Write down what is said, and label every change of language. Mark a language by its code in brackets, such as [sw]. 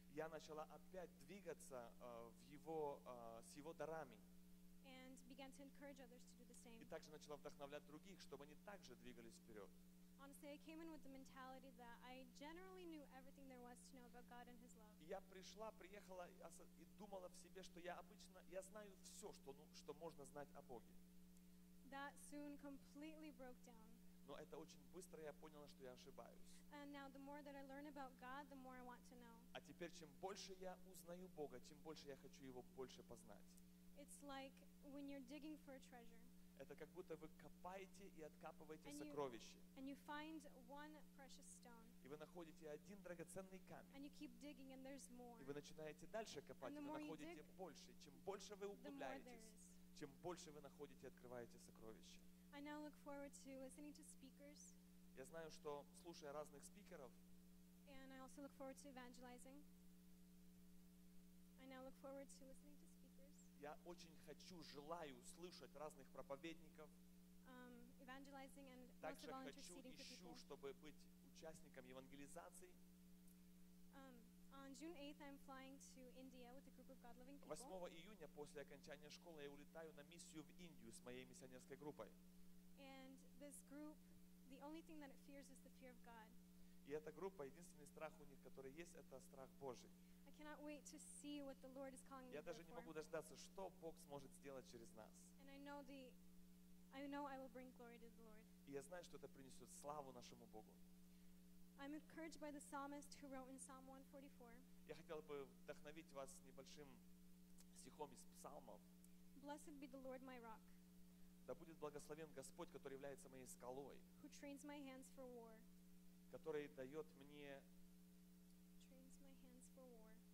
[ru] Я начала опять двигаться в Его с Его дарами. [en] And began to encourage others to do the same. [ru] И также начала вдохновлять других, чтобы они также двигались вперед. [en] Honestly, I came in with the mentality that I generally knew everything there was to know about God and His love. [ru] Я пришла, приехала и думала в себе, что я обычно, я знаю все, что можно знать о Боге. [en] That soon completely broke down. [ru] Но это очень быстро я поняла, что я ошибаюсь. [en] And now the more that I learn about God, the more I want to know. [ru] А теперь, чем больше я узнаю Бога, тем больше я хочу Его больше познать. [en] It's like when you're digging for a treasure. [ru] Это как будто вы копаете и откапываете сокровище. [en] And you find one precious stone. [ru] И вы находите один драгоценный камень. [en] And you keep digging and there's more. [ru] И вы начинаете дальше копать, [en] and [ru] вы находите [en] dig, [ru] больше. Чем больше вы углубляетесь, чем больше вы находите и открываете сокровище. [en] I now look forward to listening to speakers. [ru] Я знаю, что слушая разных спикеров, [en] and I also look forward to evangelizing. I now look forward to listening to speakers. [ru] Я очень хочу, желаю слышать разных проповедников. [en] Evangelizing and most of all interceding [ru] хочу, ищу, чтобы быть участником евангелизации. [en] On June 8th, I'm flying to India with a group of God-loving people. [ru] 8 июня после окончания школы я улетаю на миссию в Индию с моей миссионерской группой. [en] And this group, the only thing that it fears is the fear of God. [ru] И эта группа, единственный страх у них, который есть, это страх Божий. [en] I cannot wait to see what the Lord is calling me to perform. [ru] Я даже не могу дождаться, что Бог сможет сделать через нас. [en] And I know I will bring glory to the Lord. [ru] И я знаю, что это принесет славу нашему Богу. [en] I'm encouraged by the psalmist who wrote in Psalm 144. [ru] Я хотел бы вдохновить вас небольшим стихом из псалмов. [en] Blessed be the Lord my rock. [ru] Да будет благословен Господь, который является моей скалой. [en] Who trains my hands for war. [ru] Который дает мне. [en] Trains my hands for war.